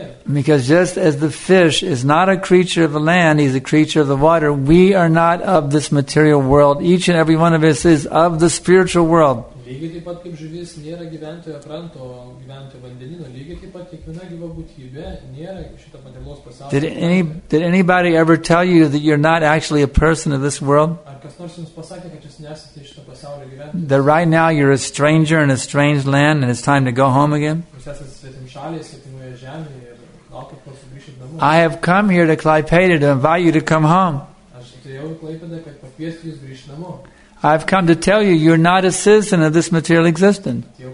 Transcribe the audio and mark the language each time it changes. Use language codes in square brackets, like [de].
[en] Because just as the fish is not a creature of the land, he's a creature of the water, we are not of this material world. Each and every one of us is of the spiritual world. [lt] Lygiai taip pat kaip žuvis nėra gyventojo kranto, gyventojo vandenino, lygiai taip pat kiekviena gyva būtybė nėra šito materialaus pasaulio. [en] Did anybody ever tell you that you're not actually a person of this world? [lt] Ar kas nors jums pasakė, kad jūs nesate šito pasaulio gyventojas? [en] That right now you're a stranger in a strange land and it's time to go home again? [lt] Jūs esate svetimšalyje, svetimoje žemėje ir laukiate, kol sugrįšite namo. [en] I have come here to Klaipėda to invite you to come home. [lt] Aš atėjau į Klaipėdą, kad pakviesti jūs grįžti namo. [en] I've come to tell you, you're not a citizen of this material existence.